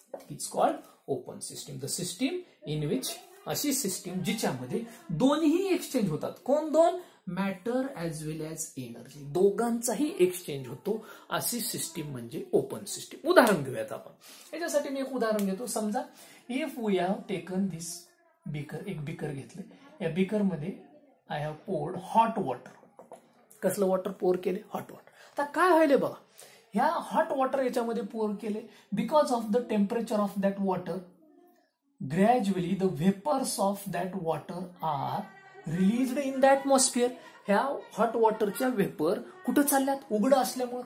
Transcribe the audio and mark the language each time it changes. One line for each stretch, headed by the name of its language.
English: It's called open system. The system in which,
Marathi: अशी system जिच्या मध्ये दोन्ही exchange होतात. कोण दोन?
English: Matter as well as energy.
Marathi: दोघांचाही exchange होतो. अशी system म्हणजे open system. उदाहरण घेऊयात आपण. याच्यासाठी मी एक उदाहरण घेतो.
English: समजा if we have taken this beaker,
Marathi: एक beaker घेतले. या beaker मध्ये
English: I have poured hot water.
Marathi: कसलं water pour केले?
English: Hot water.
Marathi: आता काय होईल बघा. या हॉट वॉटर याच्यामध्ये पोर केले
English: Because of the temperature of that water gradually the vapours of that water R released in the atmosphere.
Marathi: ह्या हॉट वॉटरच्या वेपर कुठं चालल्यात? उघडं असल्यामुळे.